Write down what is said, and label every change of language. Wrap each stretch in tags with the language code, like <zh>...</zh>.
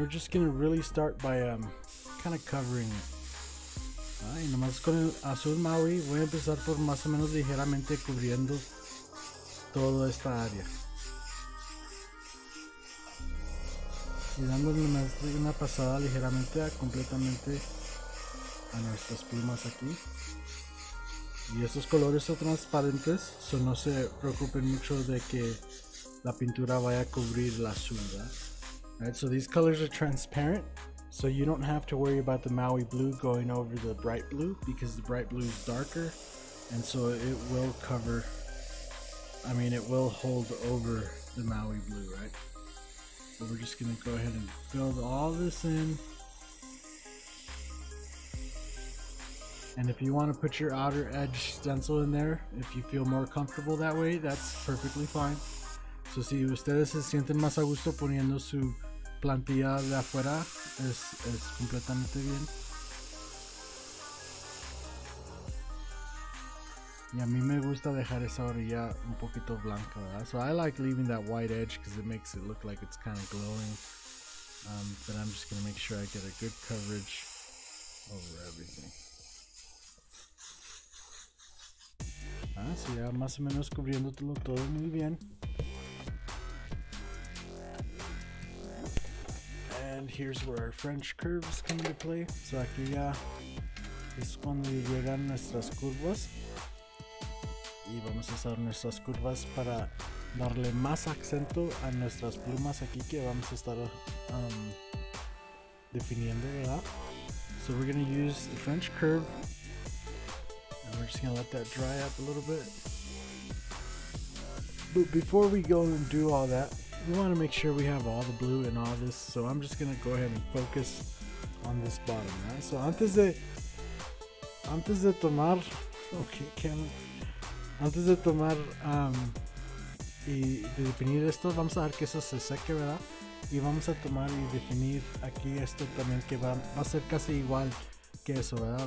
<en>Gonna really start by kind of covering it.</en> <es>Ay, nomás con el azul Maui voy a empezar por más o menos ligeramente cubriendo toda esta área y dándole más de una pasada ligeramente a completamente a nuestras plumas aquí. y estos colores son transparentes, so no se preocupen mucho de que la pintura vaya a cubrir la sombra.</es> <en>Alright, so these colors are transparent, so you don't have to worry about the Maui blue going over the bright blue, because the bright blue is darker, and so it will cover, I mean it will hold over the Maui blue, right? So we're just gonna go ahead and fill all this in. And if you want to put your outer edge stencil in there, if you feel more comfortable that way, that's perfectly fine.</en> <es>So si ustedes se sienten más a gusto poniendo su plantilla de afuera, es completamente bien. Y a mí me gusta dejar esa orilla un poquito blanca, ¿verdad?</es> <en>So I like leaving that white edge because it makes it look like it's kind of glowing. But I'm just going to make sure I get a good coverage over everything.</en> <es>Así ya más o menos cubriéndolo todo muy bien.</es> <en>And here's where our French curves come into play.</en> <es>So aquí ya es cuando llegan nuestras curvas. Y vamos a usar nuestras curvas para darle más acento a nuestras plumas aquí que vamos a estar definiendo, ¿verdad?</es> <en>So we're going to use the French curve. We're just gonna let that dry up a little bit. But before we go and do all that, we wanna make sure we have all the blue and all this. So I'm just gonna go ahead and focus on this bottom, right?</en> <es>So antes de definir esto, vamos a dejar que eso se seque, ¿verdad? Y vamos a tomar y definir aquí esto también, que va a ser casi igual que eso, ¿verdad?</es>